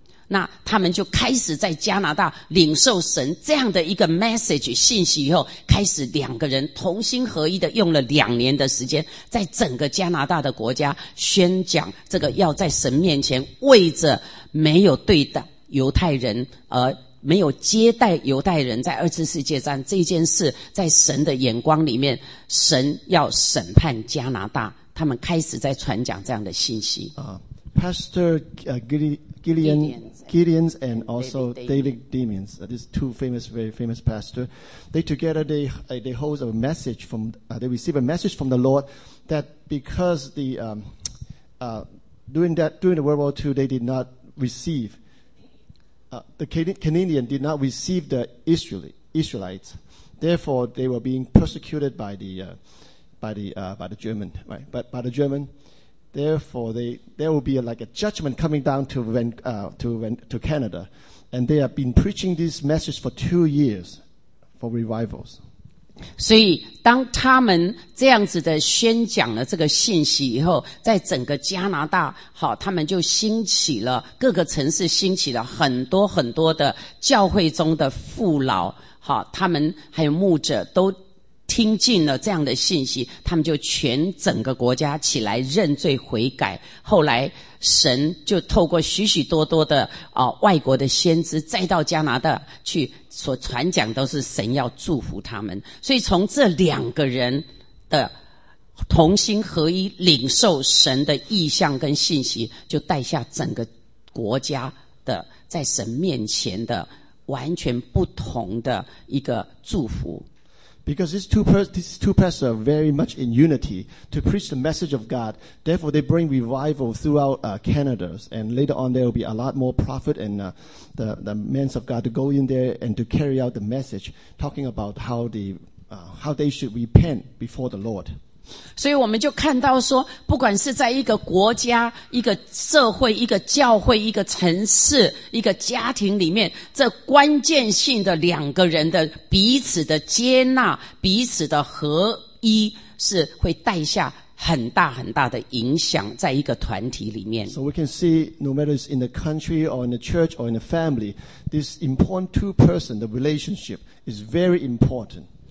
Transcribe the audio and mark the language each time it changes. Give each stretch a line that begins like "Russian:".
Chinese: 那他们就开始在加拿大领受神这样的一个 message 信息以后，开始两个人同心合一的用了两年的时间，在整个加拿大的国家宣讲这个要在神面前为着没有对待犹太人而没有接待犹太人在二次世界战这件事，在神的眼光里面，神要审判加拿大，他们开始在传讲这样的信息。
English: Pastor Gillian's and also David Demons, these two famous, very famous pastors, they hold a message from, they receive a message from the Lord that because the, during the World War II, they did not receive,the Canadian did not receive the Israelites. Therefore, they were being persecuted by the German. Therefore, there will be like a judgment coming down to Canada. And they have been preaching this message for 2 years for revivals.
Chinese: 所以当他们这样子的宣讲了这个信息以后，在整个加拿大，好，他们就兴起了，各个城市兴起了很多很多的教会中的父老，好，他们还有牧者都听进了这样的信息，他们就全整个国家起来认罪悔改。后来神就透过许许多多的外国的先知再到加拿大去，所传讲都是神要祝福他们。所以从这两个人的同心合一领受神的意象跟信息，就带下整个国家的在神面前的完全不同的一个祝福。
English: Because these two pastors are very much in unity to preach the message of God. Therefore, they bring revival throughout Canada. And later on, there will be a lot more prophets and the men of God to go in there and to carry out the message, talking about how they should repent before the Lord.
Chinese: 所以我们就看到说，不管是在一个国家、一个社会、一个教会、一个城市、一个家庭里面，这关键性的两个人的彼此的接纳、彼此的合一，是会带下很大很大的影响在一个团体里面。
English: So we can see, no matter it's in the country or in the church or in the family, this important two-person, the relationship is very important.